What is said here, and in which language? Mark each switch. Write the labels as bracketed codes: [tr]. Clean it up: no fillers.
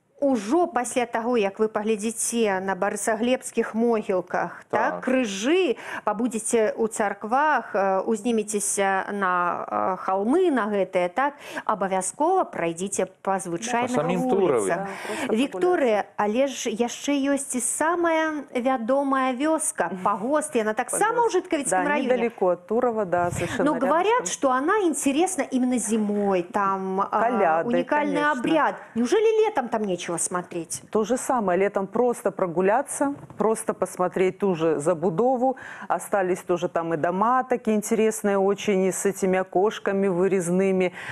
[ru] Уже после того, как вы поглядите на Борисоглебских могилках, так, крыжи, побудете у церквах, узнимитесь на холмы на гэтае, так, обовязково пройдите по звычайным улицам. [be] Виктория, але ж яшчэ ёсць і самая вядомая вёска, Пагост, она так само у Жыткавіцкім районе. [ru] Да, недалеко от Турова, да, совершенно рядом. Но говорят, что она интересна именно зимой, там коляды, уникальный, конечно, обряд. Неужели летом там нечего смотреть? То же самое. Летом просто прогуляться, просто посмотреть ту же забудову. Остались тоже там и дома такие интересные очень, с этими окошками вырезными.